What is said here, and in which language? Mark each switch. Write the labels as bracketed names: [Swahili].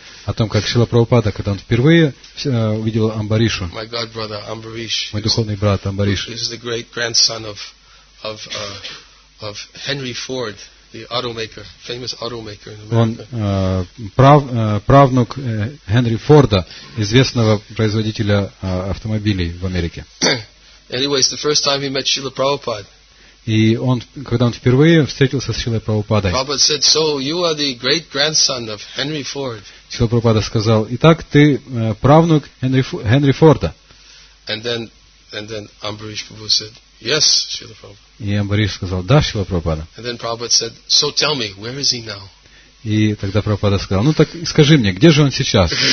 [Russian] О том, как Шрила Прабхупада, когда он впервые увидел Амбаришу, [English] my god brother Амбариш, [Russian] мой духовный брат Амбариш, [English] is the great grandson of Henry Ford, the automaker, famous automaker in America. [Russian] Он правнук Генри Форда, известного производителя автомобилей в Америке. [English] Anyways, the first time he met Шрила Прабхупада. [Russian] И он, когда он впервые встретился с Шрилой Прабхупадой, Шрила Прабхупада сказал: «Итак, ты правнук Генри Форда». [English] And then Амбариш Прабху said, yes, Шрила Прабхупада. [Russian] И Амбариш сказал: «Да, Шрила Прабхупада». [English] And then Prabhupada said, so tell me, where is he now? [Russian] И тогда Прабхупада сказал: «Ну так скажи мне, где же он сейчас?»